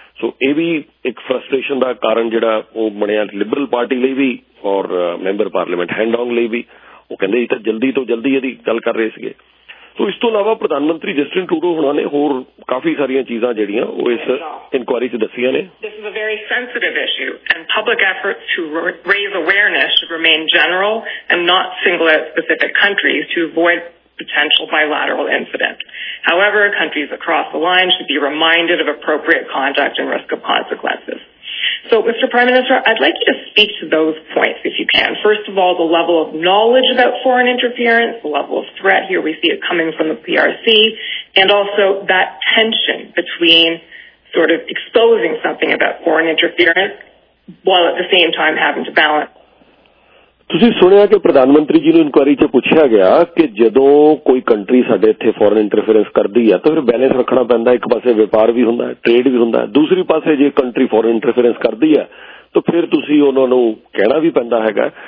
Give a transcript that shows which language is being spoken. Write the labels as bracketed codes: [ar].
[pa] ਸੋ ਇਹ ਵੀ ਇੱਕ ਫਰਸਟ੍ਰੇਸ਼ਨ ਦਾ ਕਾਰਨ ਜਿਹੜਾ ਉਹ ਬਣਿਆ ਲਿਬਰਲ ਪਾਰਟੀ ਲਈ ਵੀ ਔਰ ਮੈਂਬਰ ਪਾਰਲੀਮੈਂਟ ਹੈਂਡ ਆਫ ਲਈ ਵੀ। ਉਹ ਕਹਿੰਦੇ ਜੀ ਤਾਂ ਜਲਦੀ ਤੋਂ ਜਲਦੀ ਇਹਦੀ ਗੱਲ ਕਰ ਰਹੇ ਸੀਗੇ। ਸੋ ਇਸ ਤੋਂ ਇਲਾਵਾ ਪ੍ਰਧਾਨ ਮੰਤਰੀ ਜਸਟਿਨ ਟਰੂਡੋ ਹੋਣਾ ਨੇ ਹੋਰ ਕਾਫੀ ਸਾਰੀਆਂ ਚੀਜ਼ਾਂ ਜਿਹੜੀਆਂ ਉਹ ਇਸ ਇਨਕੁਆਇਰੀ ਚ ਦੱਸੀਆਂ ਨੇ। [en] This is a very sensitive issue and public efforts to raise awareness should remain general and not single out specific countries to avoid potential bilateral incidents. However, countries across the line should be reminded of appropriate conduct and risk of consequences. So, Mr. Prime Minister, I'd like you to speak to those points, if you can. First of all, the level of knowledge about foreign interference, the level of threat. Here we see it coming from the PRC, and also that tension between sort of exposing something about foreign interference while at the same time having to balance. [pa] ਤੁਸੀਂ ਸੁਣਿਆ ਕਿ ਪ੍ਰਧਾਨ ਮੰਤਰੀ ਜੀ ਨੂੰ inquiry ਚ ਪੁੱਛਿਆ ਗਿਆ ਕਿ ਜਦੋਂ ਕੋਈ ਕੰਟਰੀ ਸਾਡੇ ਇੱਥੇ ਫੋਰਨ ਇੰਟਰਫੇਰੈਂਸ ਕਰਦੀ ਹੈ ਤਾਂ ਫਿਰ ਬੈਲੈਂਸ ਰੱਖਣਾ ਪੈਂਦਾ, ਇੱਕ ਪਾਸੇ ਵਪਾਰ ਵੀ ਹੁੰਦਾ, ਟ੍ਰੇਡ ਵੀ ਹੁੰਦਾ, ਦੂਸਰੀ ਪਾਸੇ ਜੇ ਕੰਟਰੀ ਫੋਰਨ ਇੰਟਰਫੇਰੈਂਸ ਕਰਦੀ ਹੈ ਤਾਂ ਫਿਰ ਤੁਸੀਂ ਉਹਨਾਂ ਨੂੰ ਕਹਿਣਾ ਵੀ ਪੈਂਦਾ ਹੈਗਾ।